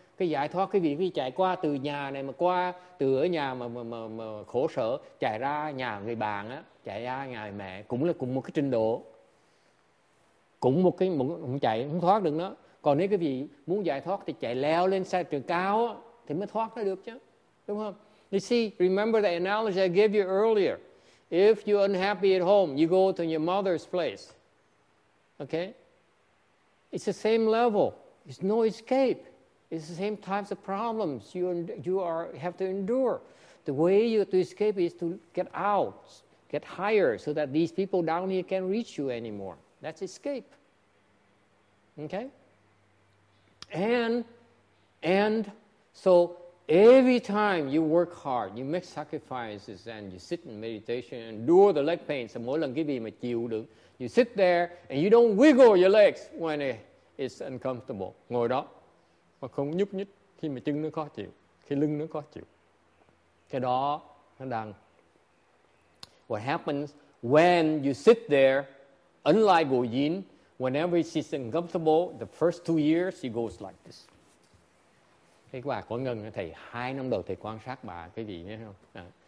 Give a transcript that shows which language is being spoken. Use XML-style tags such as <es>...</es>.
<vi>Cái giải thoát cái việc chạy qua từ nhà này mà qua từ ở nhà mà khổ sở chạy ra nhà người bạn á, chạy ra nhà người mẹ cũng là cùng một cái trình độ. Cũng một cái không chạy không thoát được nó. Còn nếu cái vị muốn giải thoát thì chạy leo lên xe trường cao á, thì mới thoát nó được chứ. Đúng không?</vi> <en>You see, remember the analogy I gave you earlier. If you're unhappy at home, you go to your mother's place. Okay? It's the same level. It's no escape. It's the same types of problems you have to endure. The way to escape is to get out, get higher, so that these people down here can't reach you anymore. That's escape. Okay? And so every time you work hard, you make sacrifices and you sit in meditation and endure the leg pain. So</en> <vi>mỗi lần cái gì mà chịu được,</vi> <en>you sit there and you don't wiggle your legs when it's uncomfortable.</en> <vi>Ngồi đó mà không nhúc nhích khi mà chân nó khó chịu, khi lưng nó khó chịu. Cái đó nó đang.</vi> <en>What happens when you sit there, unlike Gu Yin, whenever she's uncomfortable, the first 2 years, she goes like this.</en> <vi>Cái bà có ngân, thầy, 2 năm đầu thầy quan sát bà, cái gì nhé không?</vi>